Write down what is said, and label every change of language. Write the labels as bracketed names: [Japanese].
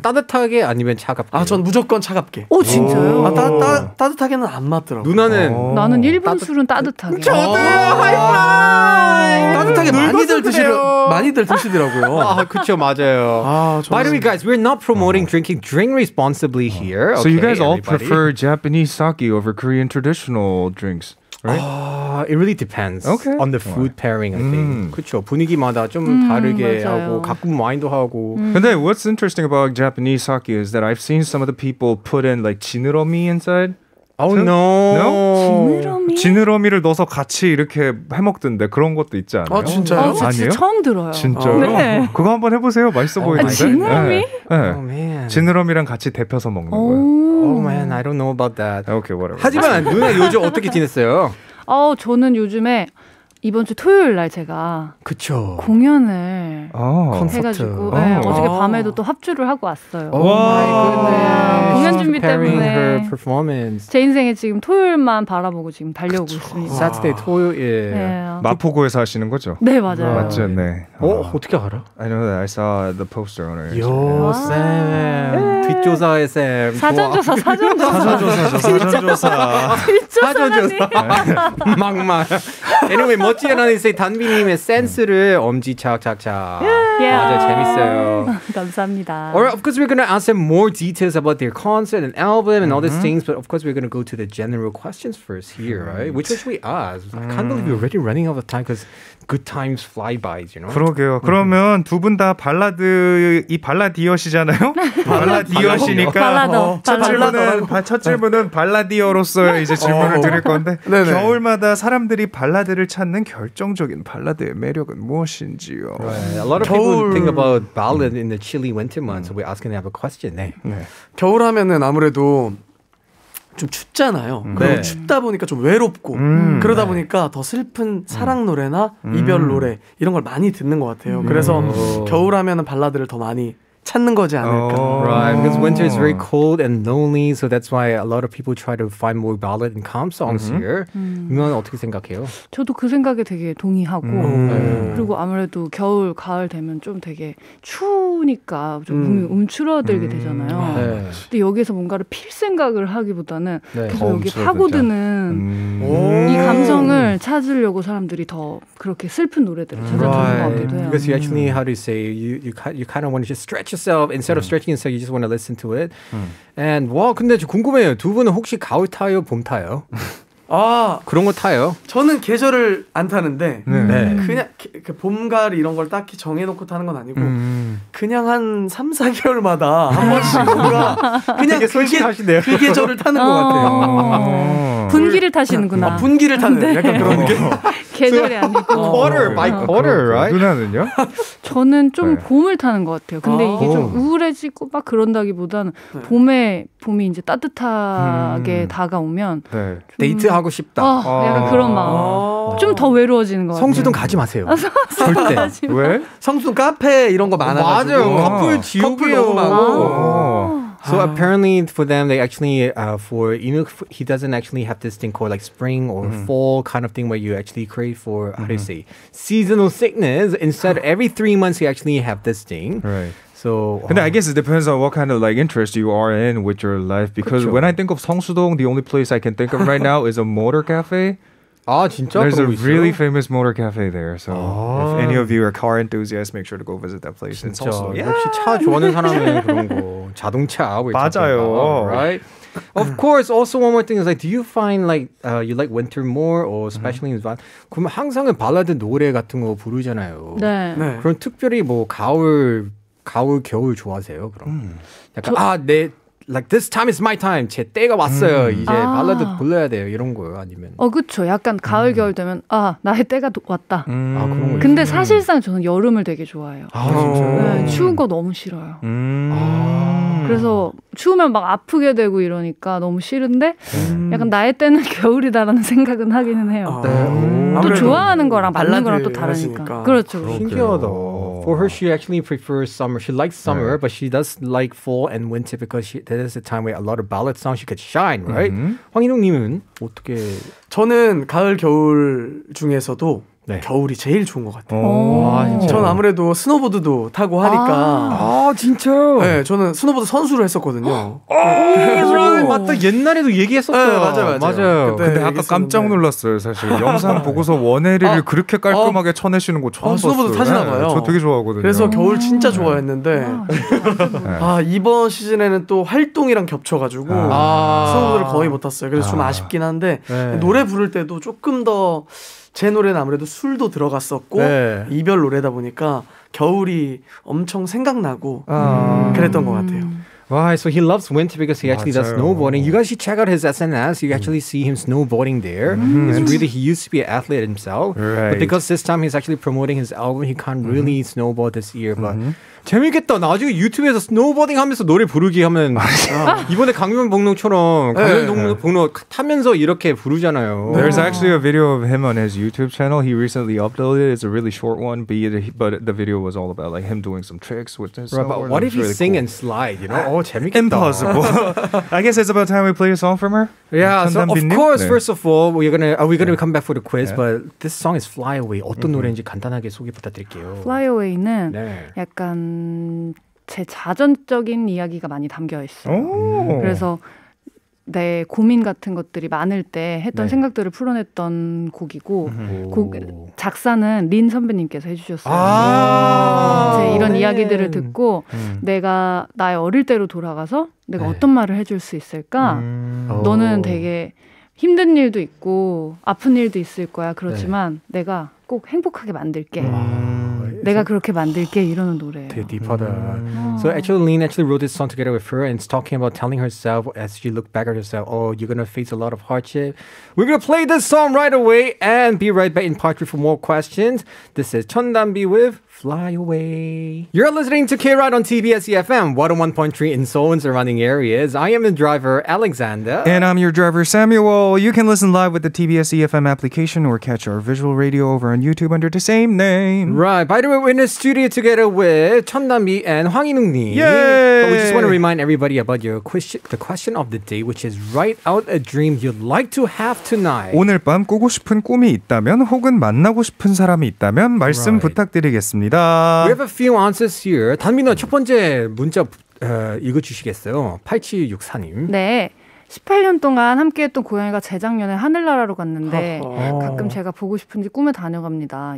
[Korean] 따뜻하게 아니면 차갑게? 아, 전 무조건 차갑게. 오, 진짜요? 아, 따뜻하게는 안 맞더라고요. 누나는? 나는 일본 술은 따뜻하게. 저도요. 하이파이. 따뜻하게 많이들 드시더라고요. 아, 그렇죠. 맞아요. [English] 아, By the way, guys, we're not promoting drinking. Drink responsibly here. So you guys all prefer Japanese sake over Korean traditional drinks? Right? It really depends okay. on the food pairing, I think. [Korean] 그렇죠. 분위기마다 좀 다르게 맞아요. 하고 가끔 와인도 하고. [English] But then what's interesting about Japanese sake is that I've seen some of the people put in like 지느러미 inside. Oh to? No. No? [Korean] 지느러미? 지느러미를 넣어서 같이 이렇게 해 먹던데 그런 것도 있지 않아요? 아, 진짜요? 아, 아니요. 처음 들어요. 진짜요? 네. 그거 한번 해 보세요. 맛있어 보이는데. 지느러미? 네. 네. [English] Oh man. [Korean] 지느러미랑 같이 데펴서 먹는 거예요. [English] Oh man, I don't know about that. Okay, whatever. [Korean] 하지만 누나 요즘 어떻게 지냈어요? 저는 요즘에 이번 주 토요일 날 제가 그쵸. 공연을 해가지고 네, 어저께 밤에도 또 합주를 하고 왔어요. 와 공연 준비 때문에 제 인생에 지금 토요일만 바라보고 지금 달려오고 그쵸. 있습니다. Saturday 토요일 네. 마포구에서 하시는 거죠? 네 맞아요. 맞죠, 네. 어떻게 알아? [English] I know that I saw the poster on it. [Korean] 요 쌤 뒷조사의 쌤 사전조사 사전조사 뒷조사라니 막말 Anyway 멋지게 나는 이제 단비님의 센스를 엄지 착착착 [English] yeah. [Korean] 맞아 재밌어요 감사합니다 [English] Alright, of course we're gonna ask them more details about their concert and album and all these things but of course we're gonna go to the general questions first here right? which should we ask? I can't believe we're already running out of time because good times fly by you know? [Korean] 그러게요 그러면 두 분 다 발라드 이 발라디어시잖아요? 발라디어시니까 첫 질문은 발라디어로서 이제 질문을 드릴 건데 겨울마다 사람들이 발라드를 찾는 결정적인 발라드의 매력은 무엇인지요? [English] Right. A lot of 겨울... people think about ballad in the chilly winter months. So we're asking them a question. [Korean] 네. 겨울 하면은 아무래도 좀 춥잖아요. 그리고 네. 춥다 보니까 좀 외롭고 그러다 네. 보니까 더 슬픈 사랑 노래나 이별 노래 이런 걸 많이 듣는 것 같아요. 그래서 겨울 하면은 발라드를 더 많이 찾는 거지 않을까? [English] Oh, right, because winter is very cold and lonely, so that's why a lot of people try to find more ballad and calm songs here. [Korean] 누나는 어떻게 생각해요? 저도 그 생각에 되게 동의하고 그리고 아무래도 겨울, 가을 되면 좀 되게 추우니까 좀 몸이 움츠러들게 되잖아요. 네. 근데 여기서 뭔가를 필 생각을 하기보다는 네. 계속 여기 파고드는 이 감성을 찾으려고 사람들이 더 그렇게 슬픈 노래들을 찾아주는 것 같기도 해요. [English] Because you actually, how do you say, you kind of want to just stretch yourself instead of stretching yourself, you just want to listen to it. [Korean] And 와, 근데 저 궁금해요. 두 분은 혹시 가을 타요, 봄 타요? 아, 그런 거 타요? 저는 계절을 안 타는데 네. 그냥 봄, 가을 이런 걸 딱히 정해놓고 타는 건 아니고 그냥 한 3, 4개월마다 한 번씩 뭔가 그냥 되게 솔직하시네요. 그 계절을 타는 것 같아요. 분기를 타시는구나. 아, 분기를 타는 근데? 약간 그런 게. 계절이 아니고. [English] Quarter, by quarter, right? [Korean] 누나는요? 저는 좀 네. 봄을 타는 것 같아요. 근데 이게 좀 우울해지고 막 그런다기보다는 네. 봄에 봄이 이제 따뜻하게 다가오면 네. 좀... 데이트하고 싶다. 약간 그런 마음. 좀 더 외로워지는 것 같아요. 성수동 가지 마세요. 절대. 왜? 성수동 카페 이런 거 많아가지고. 맞아요. 커플 지옥이에요. 커플 너무 많고. [English] So apparently for them, they actually, for Inuk, he doesn't actually have this thing called like spring or fall kind of thing where you actually crave for, how do you say, seasonal sickness. Instead, every 3 months, you actually have this thing. Right. So, and I guess it depends on what kind of like interest you are in with your life. Because [Korean] 그쵸. [English] when I think of Seongsu-dong, the only place I can think of right now is a motor cafe. [Korean] 아, 진짜? [English] There's a really famous motor cafe there. So if any of you are car enthusiasts, make sure to go visit that place. [Korean] 진짜. 역시 차 좋아하는 사람은 그런 거. 자동차. 맞아요. [English] Right? Of course, also one more thing is like, do you find like, you like winter more or especially in Japan? [Korean] 그럼 항상 발라드 노래 같은 거 부르잖아요. 네. 네. 그럼 특별히 뭐 가을, 겨울 좋아하세요? 그럼. 약간, 아, 내... [English] Like this time is my time. [Korean] 제 때가 왔어요. 이제 발라드 불러야 돼요. 이런 거요. 아니면 그렇죠. 약간 가을 겨울 되면 아 나의 때가 왔다. 아 그런 거. 근데 사실상 저는 여름을 되게 좋아해요. 아 진짜. 네, 추운 거 너무 싫어요. 그래서 추우면 막 아프게 되고 이러니까 너무 싫은데 약간 나의 때는 겨울이다라는 생각은 하기는 해요. 아, 네. 또 좋아하는 거랑 맞는 거랑 또 다르니까. 하시니까. 그렇죠. 신기하다. [English] For her, she actually prefers summer. She likes summer, right. but she does like fall and winter because that is the time where a lot of ballad songs she could shine, right? [Korean] Mm-hmm. 황인웅님은 어떻게? 저는 가을 겨울 중에서도 네. 겨울이 제일 좋은 것 같아요. 전 아무래도 스노보드도 타고 하니까. 아, 아 진짜요? 네, 저는 스노보드 선수를 했었거든요. 맞다, 옛날에도 얘기했었어요. 네, 맞아요, 맞아요. 맞아요. 근데 아까 얘기했었는데. 깜짝 놀랐어요, 사실. 영상 보고서 원해리를 그렇게 깔끔하게 쳐내시는 거 처음 봤어요. 스노보드 타시나봐요. 네, 저 되게 좋아하거든요. 그래서 겨울 진짜 좋아했는데. 아, 이번 시즌에는 또 활동이랑 겹쳐가지고 스노보드를 거의 못 탔어요. 그래서 좀 아쉽긴 한데. 네. 노래 부를 때도 조금 더. 제 노래는 아무래도 술도 들어갔었고 네. 이별 노래다 보니까 겨울이 엄청 생각나고 그랬던 것 같아요. [English] Why? So he loves winter because he actually [Korean] 맞아요. [English] does snowboarding. You guys should check out his SNS. You actually see him snowboarding there. Mm-hmm. Really, he used to be an athlete himself. Right. But because this time he's actually promoting his album, he can't really mm-hmm. snowboard this year. But mm-hmm. [Korean] 재밌겠다. 나중에 유튜브에서 스노우보딩 하면서 노래 부르기 하면 이번에 강변복농처럼 강변복농 네. 타면서 이렇게 부르잖아요. [English] There's actually a video of him on his YouTube channel. He recently uploaded it. It's a really short one, but the video was all about like him doing some tricks with his snowboard. But what if you really sing cool. and slide? You know? Oh, [Korean] 재밌겠다. [English] Impossible. I guess it's about time we play a song from her. Yeah. So of course, first of all, we're gonna come back for the quiz. Yeah. But this song is Fly Away. [Korean] 어떤 노래인지 간단하게 소개 부탁드릴게요. Fly Away는 네. 약간 제 자전적인 이야기가 많이 담겨 있어요. 그래서 내 고민 같은 것들이 많을 때 했던 네. 생각들을 풀어냈던 곡이고 작사는 린 선배님께서 해주셨어요. 제 이런 네. 이야기들을 듣고 내가 나의 어릴 때로 돌아가서 내가 네. 어떤 말을 해줄 수 있을까? 너는 되게 힘든 일도 있고 아픈 일도 있을 거야. 그렇지만 네. 내가 꼭 행복하게 만들게. 내가 그렇게 만들게 이러는 노래예요. 되게 딥하다. [English] So actually, Lin actually wrote this song together with her, and it's talking about telling herself as she looked back at herself, oh, you're gonna face a lot of hardship. We're gonna play this song right away and be right back in part three for more questions. This is 천담비 with Fly Away. You're listening to K-Ride on TBS EFM, 101.3 in Seoul and surrounding areas. I am the driver, Alexander. And I'm your driver, Samuel. You can listen live with the TBS EFM application or catch our visual radio over on YouTube under the same name. Right. By the way, we're in the studio together with 천담비 and 황인웅님. Yay! But we just want to remind everybody about your question, the question of the day, which is write out a dream you'd like to have tonight. [Korean] 오늘 밤 꾸고 싶은 꿈이 있다면 혹은 만나고 싶은 사람이 있다면 말씀 right. 부탁드리겠습니다. [English] We have a few answers here. [Korean] 단민아, 첫 번째 문자 읽어주시겠어요? 8764님. 네. 18년 동안 함께했던 고양이가 재작년에 하늘나라로 갔는데 가끔 제가 보고 싶은지 꿈에 다녀갑니다.